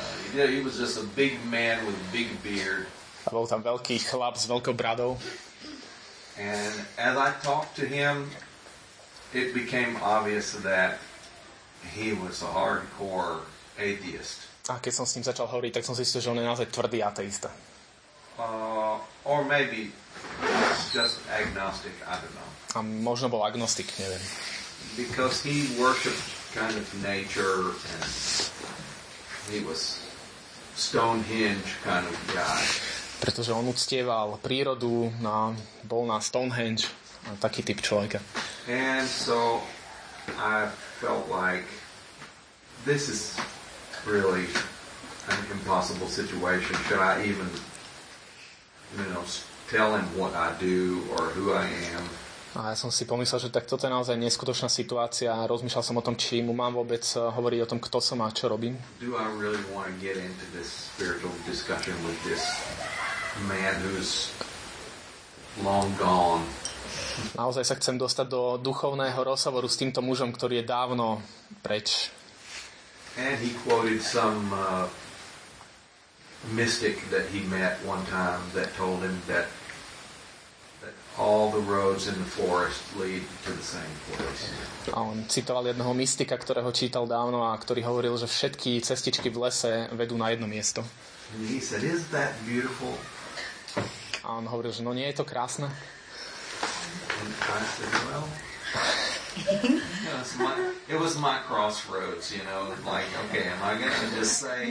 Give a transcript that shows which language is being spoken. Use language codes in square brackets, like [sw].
[en] He was just a big man with a big beard. [sk] A bol tam veľký chlap s veľkou bradou. [en] And as I talked to him, it became obvious that he was a hardcore atheist. [sk] A keď som s ním začal hovoriť, tak som zistil, že on je naozaj tvrdý ateista. [en] Or maybe just agnostic, I don't know. [sk] A možno bol agnostik, neviem. [en] Because he worshipped kind of nature and he was Stonehenge kind of guy. [sk] Pretože on uctieval prírodu, na, bol na Stonehenge, taký typ človeka. [en] And so I felt like this is really an impossible situation. Should I even, you know, tell him what I do or who I am? [sk] A ja som si pomyslel, že tak toto je naozaj neskutočná situácia. Rozmýšľal som o tom, či mu mám vôbec hovoriť o tom, kto som a čo robím. [en] Do I really want to get into this spiritual discussion with this man who's long gone? [sk] Naozaj sa chcem dostať do duchovného rozhovoru s týmto mužom, ktorý je dávno preč. [en] And he quoted some mystic that he met one time that told him that all the roads in the forest lead to the same place. [sk] A on citoval jedného mystika, ktorého čítal dávno a ktorý hovoril, že všetky cestičky v lese vedú na jedno miesto. [en] And he said, "Is that beautiful?" [sk] A on hovoril, že no nie je to krásne. [en] And I said, "Well, it was my crossroads, you know, like, okay, am I going to just say..."